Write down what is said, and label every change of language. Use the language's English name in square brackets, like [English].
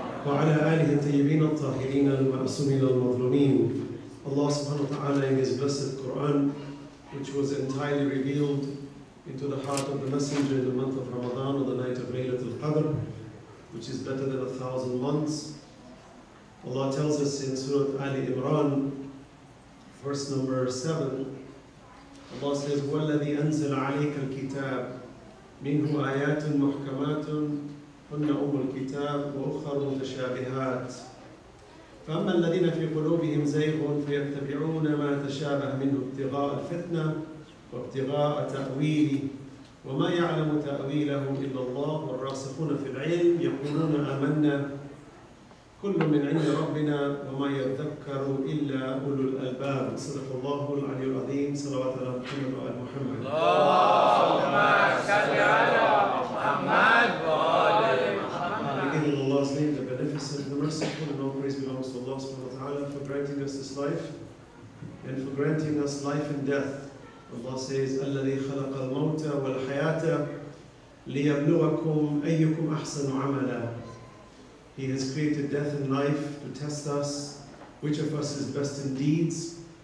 [Arabic] وعلى آله الطيبين الطاهرين المعصومين المظلومين. الله سبحانه وتعالى [English] in his blessed Quran, which was entirely revealed into the heart of the Messenger in the month of Ramadan on the night of Laylat al-Qadr, which is better than 1,000 months. Allah tells us in Surah Ali Imran, verse number 7, Allah says, [Arabic] وَالَّذِي أَنزَلَ عَلَيْكَ الْكِتَابِ مِنْهُ آيَاتٌ مُحْكَمَاتٌ هُنَّ أُمُّ الْكِتَابِ وَأُخَرُ مُتَشَابِهَاتٌ فَأَمَّا الَّذِينَ فِي قُلُوبِهِمْ زَيْغٌ فَيَتَّبِعُونَ مَا تَشَابَهَ مِنْهُ ابْتِغَاءَ الْفِتْنَةِ وَابْتِغَاءَ تَأْوِيلِهِ وَمَا يَعْلَمُ تَأْوِيلَهُ إِلَّا اللَّهُ وَالرَّاسِخُونَ فِي الْعِلْمِ يَقُولُونَ آمَنَّا كل من عند ربنا وما يذكر إلا أولو الألباب صدق الله العلي العظيم صلوات على محمد وآل محمد اللهم صل على محمد وآل محمد بإذن الله سليم [English] the beneficent the merciful and all praise belongs to Allah [Arabic] سبحانه وتعالى [English] for granting us this life and for granting us life and death Allah says [Arabic] الذي خلق الموت والحياة ليبلغكم أيكم أحسن عملا [English] He has created death and life to test us, which of us is best in deeds.